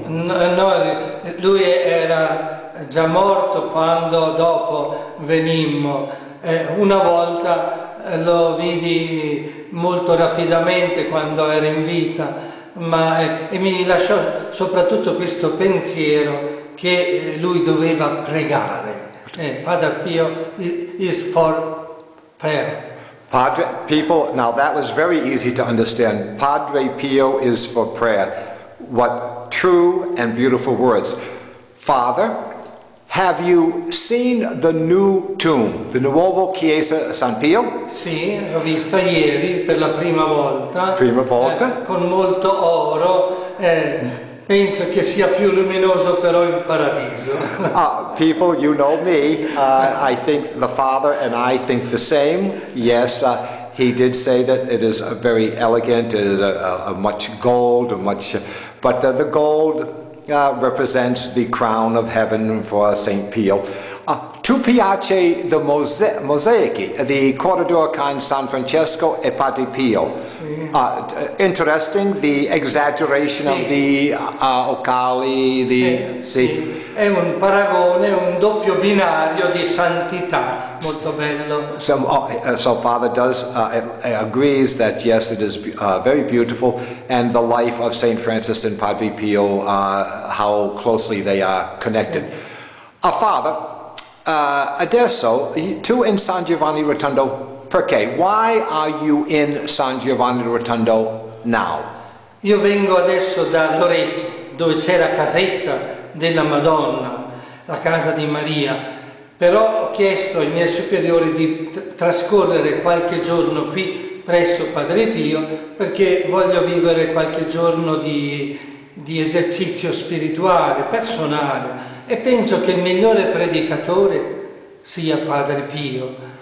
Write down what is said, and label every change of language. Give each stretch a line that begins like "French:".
Italian: No, lui era già morto quando dopo venimmo. Una volta lo vidi molto rapidamente quando era in vita, ma e mi lasciò soprattutto questo pensiero che lui doveva pregare.
English: Padre Pio is for prayer. Padre, people, now that was very easy to understand. Padre Pio is for prayer. What true and beautiful words. Father, have you seen the new tomb, the Nuovo Chiesa San Pio?
Italian: Sì, l'ho visto ieri per la prima volta. Prima volta? Con molto oro. Penso che sia più luminoso però in paradiso.
English: People, you know me. I think the Father and I think the same. Yes, he did say that it is very elegant. It is a much gold, but the gold represents the crown of heaven for Saint Pio.
Italian: Tu piace the mosaici,
English: the corridor
Italian: con San Francesco e Padre Pio. Sì.
English: Interesting, the exaggeration,
Italian: sì,
English: of the occhiali.
Italian: Sì. Sì. Sì. È un paragone, un doppio binario di santità, molto bello.
English: So Father does agrees that yes, it is very beautiful, and the life of Saint Francis and Padre Pio, how closely they are connected. Sì. Father.
Italian: Adesso, tu in San Giovanni Rotondo, perché?
English: Why are you in San Giovanni Rotondo now?
Italian: Io vengo adesso da Loreto, dove c'è la casetta della Madonna, la casa di Maria, però ho chiesto ai miei superiori di trascorrere qualche giorno qui presso Padre Pio, perché voglio vivere qualche giorno di esercizio spirituale, personale, e penso che il migliore predicatore sia Padre Pio.